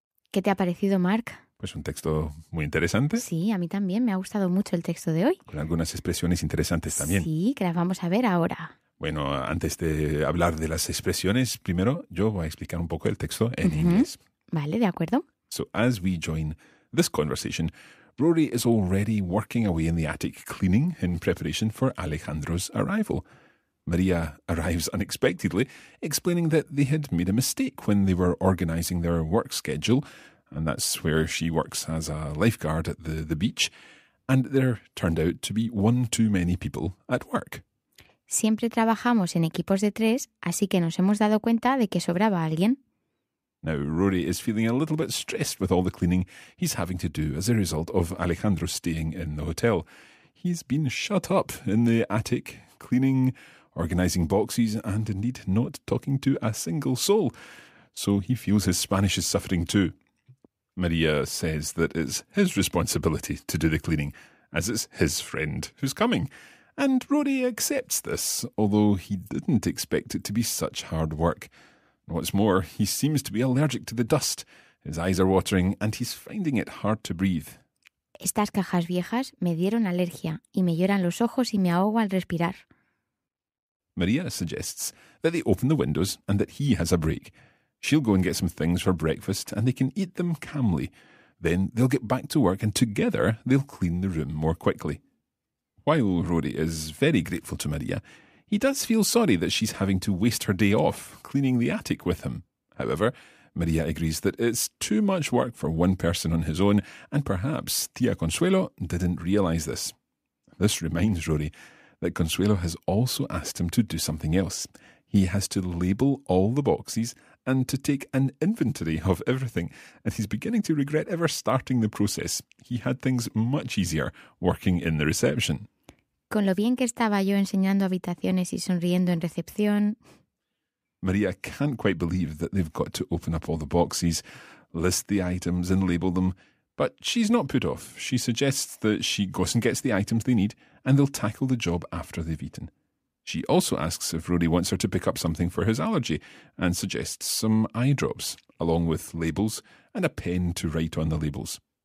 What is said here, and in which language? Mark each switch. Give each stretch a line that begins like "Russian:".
Spanish: ¿Qué te ha parecido, Mark? Pues un texto muy interesante. Sí, a mí también me ha gustado mucho el texto de hoy. Con algunas expresiones interesantes también. Sí, que las vamos a ver ahora. Bueno, antes de hablar de las expresiones, primero yo voy a explicar un poco el texto en inglés. Vale, de acuerdo.
English: So as we join this conversation, Rory is already working away in the attic cleaning in preparation for Alejandro's arrival. Maria arrives unexpectedly, explaining that they had made a mistake when they were organizing their work schedule, and that's where she works as a lifeguard at the beach, and there turned out to be one too many people at work.
Spanish: Siempre trabajamos en equipos de tres, así que nos hemos dado cuenta de que sobraba alguien.
English: Now, Rory is feeling a little bit stressed with all the cleaning he's having to do as a result of Alejandro staying in the hotel. He's been shut up in the attic, cleaning, organizing boxes, and indeed not talking to a single soul. So he feels his Spanish is suffering too. Maria says that it's his responsibility to do the cleaning, as it's his friend who's coming. And Rory accepts this, although he didn't expect it to be such hard work. What's more, he seems to be allergic to the dust. His eyes are watering and he's finding it hard to breathe.
Spanish: Estas cajas viejas me dieron alergia y me lloran los ojos y me ahogo al respirar.
English: Maria suggests that they open the windows and that he has a break. She'll go and get some things for breakfast and they can eat them calmly. Then they'll get back to work and together they'll clean the room more quickly. While Rory is very grateful to Maria, he does feel sorry that she's having to waste her day off cleaning the attic with him. However, Maria agrees that it's too much work for one person on his own, and perhaps Tia Consuelo didn't realise this. This reminds Rory that Consuelo has also asked him to do something else. He has to label all the boxes and to take an inventory of everything, and he's beginning to regret ever starting the process. He had things much easier working in the reception.
Spanish: Con lo bien que estaba yo enseñando habitaciones y sonriendo en recepción.
English: Maria can't quite believe that they've got to open up all the boxes, list the items and label them, but she's not put off. She suggests that she goes and gets the items they need and they'll tackle the job after they've eaten. She also asks if Rory wants her to pick up something for his allergy and suggests some eye drops, along with labels and a pen to write on the labels.